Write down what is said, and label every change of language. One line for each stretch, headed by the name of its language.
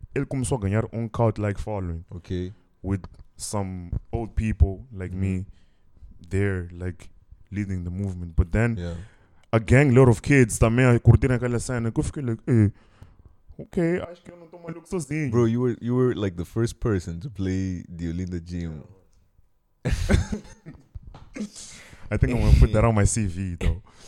Portuguese: Ele começou a ganhar um
English: cult-like following. Okay. With some old people like me there, like leading the movement. But then a gang load of kids
Portuguese: também a curtir aquela cena. Eu fiquei
English: like, hey, okay,
Portuguese: acho que eu não tô maluco sozinho.
English: Bro, you were like the first person to play the Olinda Gym. I think I'm gonna put that on my CV though.